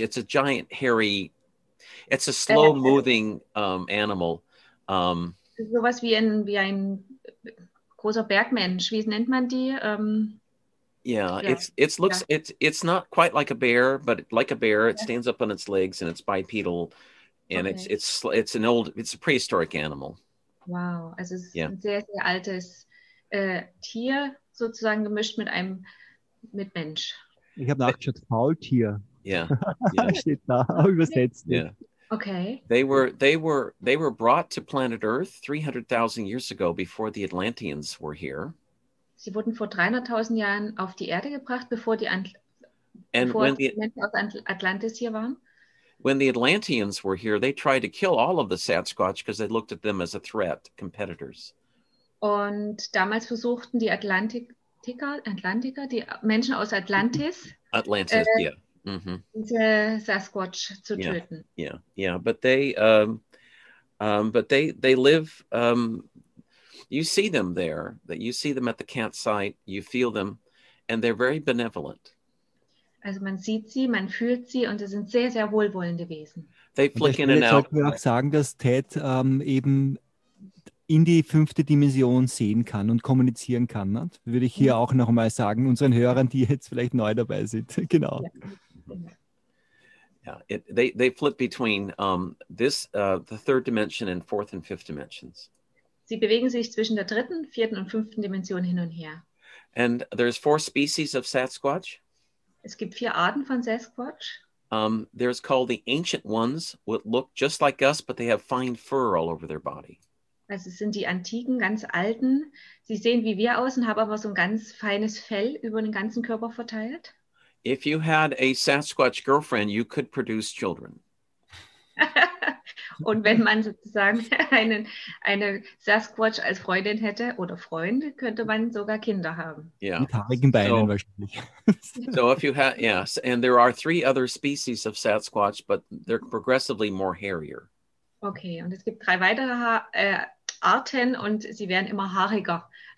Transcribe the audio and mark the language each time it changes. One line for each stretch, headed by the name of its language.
English: It's a giant hairy, it's a slow-moving animal.
German: Sowas wie ein großer Bergmensch. Wie nennt man die?
English: It's not quite like a bear, but like a bear, it stands up on its legs and it's bipedal. And okay. it's a prehistoric animal.
German: Wow, also es ist ein sehr, sehr altes Tier, sozusagen gemischt mit einem mit Mensch. Ich habe nachgeschaut, Faultier. Ja. Steht da, übersetzt.
English: Yeah. Okay. They were brought to planet Earth 300,000 years ago before the Atlanteans were here.
German: Sie wurden vor 300.000 Jahren auf die Erde gebracht, bevor die Menschen aus Atlantis hier waren.
English: When the Atlanteans were here, they tried to kill all of the Sasquatch because they looked at them as a threat, competitors.
German: Und damals versuchten die Atlantiker, die Menschen aus Atlantis, diese Sasquatch zu töten.
English: Yeah. But they live, you see them there, that you see them at the campsite, you feel them, and they're very benevolent.
German: Also man sieht sie, man fühlt sie und sie sind sehr, sehr wohlwollende Wesen.
English: They flick in and out.
German: Jetzt sollten wir auch sagen, dass Ted eben in die fünfte Dimension sehen kann und kommunizieren kann. Ne? Würde ich hier auch nochmal sagen, unseren Hörern, die jetzt vielleicht neu dabei sind. Genau.
English: Ja, they flip between the third dimension and fourth and fifth dimensions.
German: Sie bewegen sich zwischen der dritten, vierten und fünften Dimension hin und her.
English: And there's four species of Sasquatch.
German: Es gibt vier Arten von Sasquatch.
English: There's called the ancient ones, which look just like us, but they have fine fur all over their body.
German: Also es sind die antiken, ganz alten. Sie sehen wie wir aus und haben aber so ein ganz feines Fell über den ganzen Körper verteilt.
English: If you had a Sasquatch girlfriend, you could produce children.
German: Und wenn man sozusagen eine Sasquatch als Freundin hätte oder Freund, könnte man sogar Kinder haben.
English: Yeah.
German: Mit haarigen Beinen wahrscheinlich.
English: So if you have, yes, and there are three other species of Sasquatch, but they're progressively more hairier.
German: Okay, und es gibt drei weitere Arten und sie werden immer haariger.